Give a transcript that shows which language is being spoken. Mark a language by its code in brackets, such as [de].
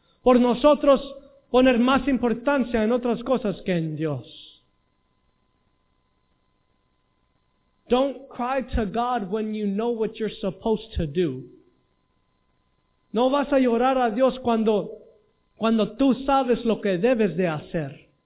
[es] Por nosotros, poner más importancia en otras cosas que en Dios. [en] Don't cry to God when you know what you're supposed to do. [es] No vas a llorar a Dios cuando tú sabes lo que debes de hacer.